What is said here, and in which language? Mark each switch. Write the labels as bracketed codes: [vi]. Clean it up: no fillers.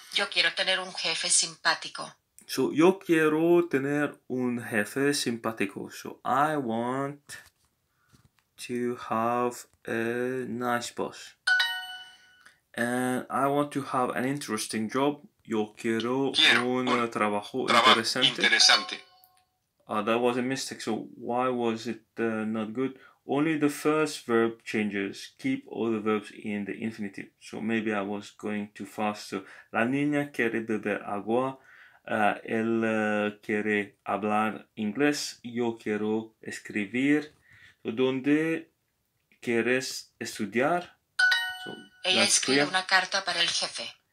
[es] Yo quiero tener un jefe simpático. So, yo quiero tener un jefe simpático. [en] So, I want to have a nice boss. And I want to have an interesting job. [es] Yo quiero, trabajo interesante. Interesante. [en] That was a mistake. So, why was it not good? Only the first verb changes. Keep all the verbs in the infinitive. So, maybe I was going too fast. [es] So, la niña quiere beber agua. Él quiere hablar inglés. Yo quiero escribir. So, ¿dónde quieres estudiar? So, ella escribe una carta para el jefe.